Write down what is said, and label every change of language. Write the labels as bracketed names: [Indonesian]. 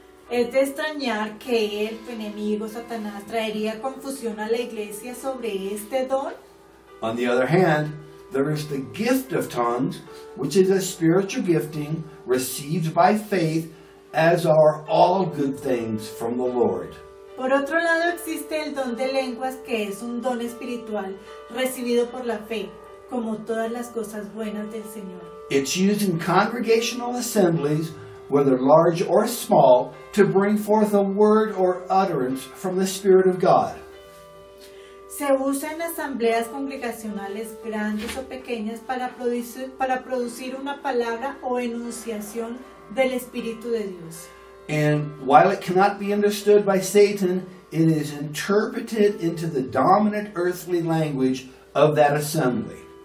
[Spanish] Es de extrañar que el enemigo Satanás traería confusión a la iglesia sobre este don. [English] On the other hand, there is the gift of tongues, which is a spiritual gifting received by faith, as are all good things from the Lord. [Spanish] Por otro lado, existe el don de lenguas, que es un don espiritual recibido por la fe, como todas las cosas buenas del Señor. [English] It's used in congregational assemblies, whether large or small, to bring forth a word or utterance from the Spirit of God. [Spanish] Se usa en asambleas congregacionales grandes o pequeñas para producir una palabra o enunciación del Espíritu de Dios. [English] And while it cannot be understood by Satan, it is interpreted into the dominant earthly language of that assembly.